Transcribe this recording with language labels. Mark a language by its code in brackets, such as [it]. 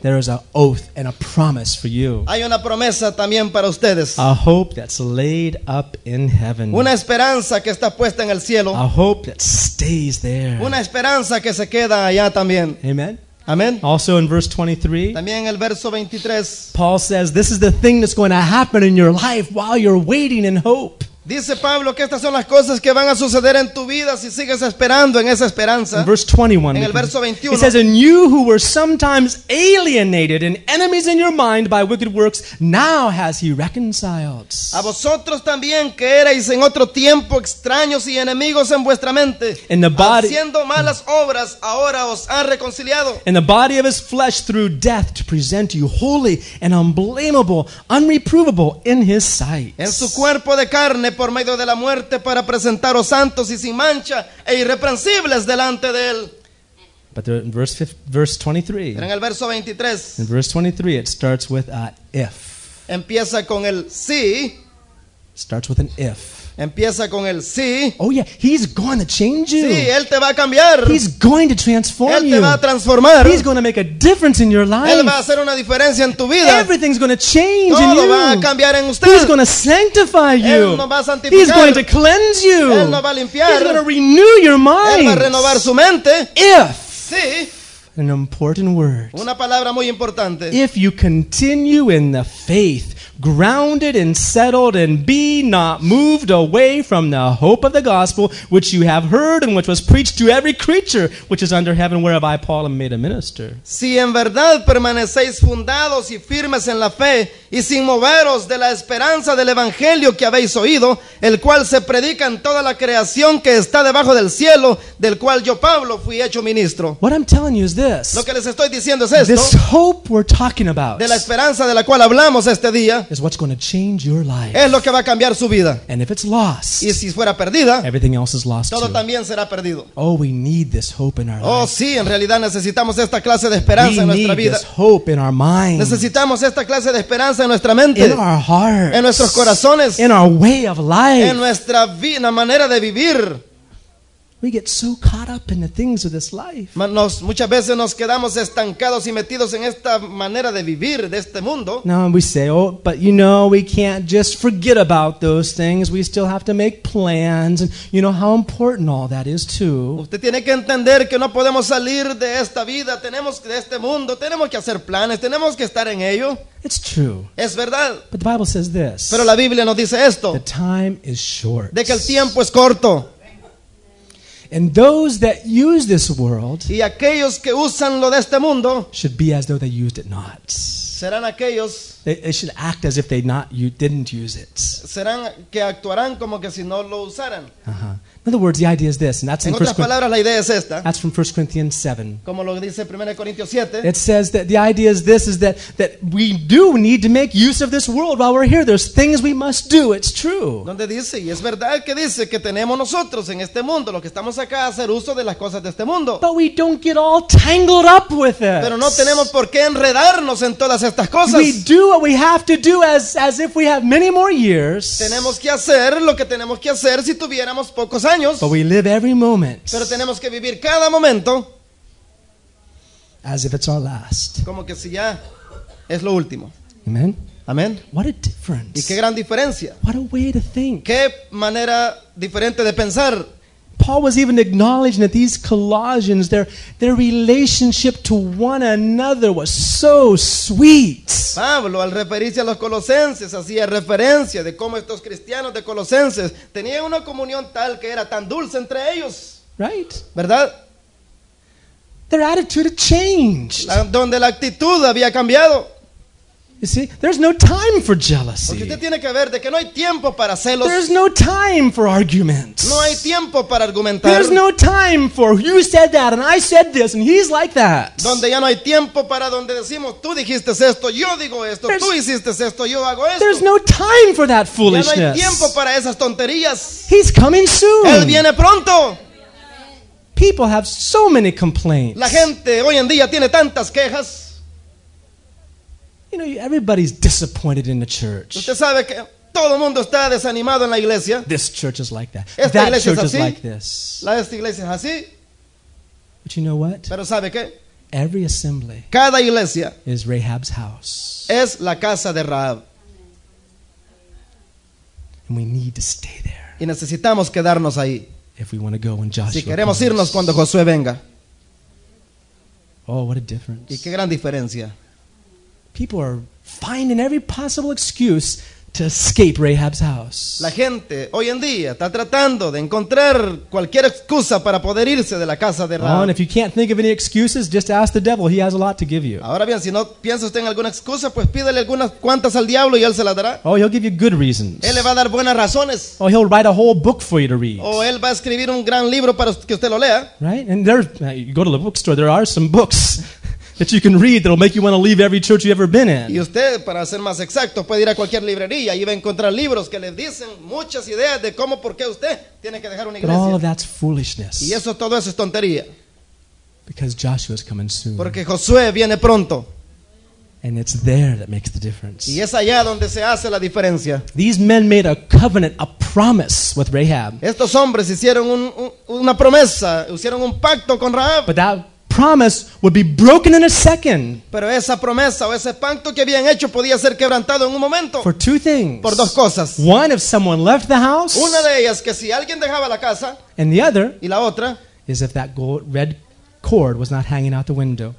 [en] there is an oath and a promise for you. [es] Hay una promesa también para ustedes. [en] A hope that's laid up in heaven. [es] Una esperanza que está puesta en el cielo. [en] A hope that stays there. [es] Una esperanza que se queda allá también. [en] Amen. [es] Amen. [en] Also in verse 23, [es] también el verso 23, [en] Paul says, this is the thing that's going to happen in your life while you're waiting in hope. [es] Dice Pablo que estas son las cosas que van a suceder en tu vida si sigues esperando en esa esperanza. [en] In verse 21, [es] en el verso 21, [en] it says, and you who were sometimes alienated and enemies in your mind by wicked works, now has he reconciled. [es] A vosotros también que erais en otro tiempo extraños y enemigos en vuestra mente, [en] in the body, [es] haciendo malas obras, ahora os ha reconciliado. [en] In the body of his flesh through death to present you holy and unblameable, unreprovable in his sight. [es] En su cuerpo de carne por medio de la muerte para presentaros santos y sin mancha e irreprensibles delante de él. [en] But in verse 23. [es] En el verso 23. [en] In verse 23 it starts with a if. [es] Empieza con el sí. [en] Starts with an if. [es] Empieza con el sí. [en] Oh yeah, he's going to change you. [es] Sí, él te va a cambiar. [en] He's going to transform [es] él [en] you. [es] Él te va a transformar. [en] He's going to make a difference in your life. [es] Él va a hacer una diferencia en tu vida. [en] Everything's going to change [es] todo [en] in you. [es] Todo va a cambiar en usted. [en] He's going to sanctify you. [es] Él nos va a santificar. [en] He's going to cleanse you. [es] Él nos va a limpiar. [en] He's going to renew your mind. [es] Él va a renovar su mente. [en] If. [es] Sí. [en] An important word. [es] Una palabra muy importante. [en] If you continue in the faith, grounded and settled, and be not moved away from the hope of the gospel which you have heard and which was preached to every creature which is under heaven, whereof I, Paul, am made a minister. [es] Si en verdad permanecéis fundados y firmes en la fe y sin moveros de la esperanza del evangelio que habéis oído, el cual se predica en toda la creación que está debajo del cielo, del cual yo, Pablo, fui hecho ministro. [en] What I'm telling you is this. [es] Lo que les estoy diciendo es esto. [en] This hope we're talking about, [es] de la esperanza de la cual hablamos este día, [en] is what's going to change your life. [es] Es lo que va a cambiar su vida. [en] And if it's lost, [es] y si fuera perdida, [en] everything else is lost [es] todo [en] too. [es] También será perdido. [en] Oh, we need this hope in our life. [es] Oh, sí, en realidad necesitamos esta clase de esperanza [en] we [es] en nuestra vida. [en] We need this hope in our minds. [es] Necesitamos esta clase de esperanza en nuestra mente. [en] In our hearts. [es] En nuestros corazones. [en] In our way of life. [es] En nuestra vida, manera de vivir. [en] We get so caught up in the things of this life. [es] Muchas veces nos quedamos estancados y metidos en esta manera de vivir de este mundo. [en] No, we say, oh, but you know, we can't just forget about those things. We still have to make plans. And you know how important all that is too. [es] Usted tiene que entender que no podemos salir de esta vida. Tenemos que de este mundo. Tenemos que hacer planes. Tenemos que estar en ello. [en] It's true. [es] Es verdad. [en] But the Bible says this. [es] Pero la Biblia nos dice esto. [en] The time is short. [es] De que el tiempo es corto. [en] And those that use this world, [es] y aquellos que usan lo de este mundo, [en] should be as though they used it not. [es] Serán aquellos [en] They should act as if they not you didn't use it. [es] ¿Serán que actuarán como que si no lo usaran? [en] In other words, the idea is this, and that's [es] en [en] in First [es] palabras, la idea es esta. [en] That's from 1 Corinthians 7. [es] Como lo dice 1 Corintios 7. [en] It says that the idea is this, is that we do need to make use of this world while we're here. There's things we must do. It's true. [es] Donde dice, y es verdad que dice que tenemos nosotros en este mundo, los que estamos acá, hacer uso de las cosas de este mundo. [en] But we don't get all tangled up with it. [es] Pero no tenemos por qué enredarnos en todas estas cosas. [en] We do what we have to do as if we have many more years. [es] Tenemos que hacer lo que tenemos que hacer si tuviéramos pocos años. [en] But we live every moment. [es] Pero tenemos que vivir cada momento [en] as if it's our last. [es] Como que si ya es lo último. [en] Amen. [es] Amen. [en] What a difference. [es] Y qué gran diferencia. [en] What a way to think. [es] Qué manera diferente de pensar. [en] Paul was even acknowledging that these Colossians, their relationship to one another was so sweet. [es] Pablo, al referirse a los colosenses, hacía referencia de cómo estos cristianos de Colosenses tenían una comunión tal que era tan dulce entre ellos. [en] Right. [es] ¿Verdad? [en] Their attitude had changed. [es] Donde la actitud había cambiado. [en] You see, there's no time for jealousy. [es] Porque usted tiene que ver de que no hay tiempo para celos. [en] There's no time for arguments. [es] No hay tiempo para argumentar. [en] There's no time for you said that and I said this and he's like that. [es] Donde ya no hay tiempo para donde decimos tú dijiste esto, yo digo esto, tú hiciste esto, yo hago esto. [en] There's no time for that foolishness. [es] Ya no hay tiempo para esas tonterías. [en] He's coming soon. [es] Él viene pronto. [en] People have so many complaints. [es] La gente hoy en día tiene tantas quejas. [en] You know, everybody's disappointed in the church. [es] Usted sabe que todo mundo está desanimado en la iglesia. [en] This church is like that. [es] Esta [en] that church [es] es así. [en] Is like this. [es] La esta iglesia es así. [en] But you know what? [es] Pero sabe qué? [en] Every assembly. [es] Cada iglesia [en] is Rahab's house. [es] Es la casa de Rahab. [en] And we need to stay there. [es] Y necesitamos quedarnos ahí. [en] If we want to go when Joshua [es] si queremos irnos Cuando Josué venga. [en] Oh, what a difference. [es] Y qué gran diferencia. [en] People are finding every possible excuse to escape Rahab's house. [es] La gente hoy en día está tratando de encontrar cualquier excusa para poder irse de la casa de Rahab. [en] Oh, and if you can't think of any excuses, just ask the devil. He has a lot to give you. [es] Ahora bien, si no piensa usted en alguna excusa, pues pídele algunas cuantas al diablo y él se las dará. [en] Oh, he'll give you good reasons. [es] Él le va a dar buenas razones. [en] Oh, he'll write a whole book for you to read. [es] O él va a escribir un gran libro para que usted lo lea. [en] Right? And there, you go to the bookstore, there are some books. That you can read that'll make you want to leave every church you've ever been in. [es] Y usted, para ser más exacto, puede ir a cualquier librería y va a encontrar libros que le dicen muchas ideas de cómo por qué usted tiene que dejar una iglesia. [en] But all of that's foolishness. [es] Y eso todo eso es tontería. [en] Because Joshua's coming soon. [es] Porque Josué viene pronto. [en] And it's there that makes the difference. [es] Y es allá donde se hace la diferencia. [en] These men made a covenant, a promise with Rahab. [es] Estos hombres hicieron una promesa, hicieron un pacto con Rahab. [en] But that promise would be broken in a second. [es] Pero esa promesa o ese pacto que habían hecho podía ser quebrantado en un momento. [en] For two things. [es] Por dos cosas. [en] One, if someone left the house. [es] Una de ellas que si alguien dejaba la casa. [en] And the other. [es] Y la otra. [en] Is if that gold, red cord was not hanging out the window.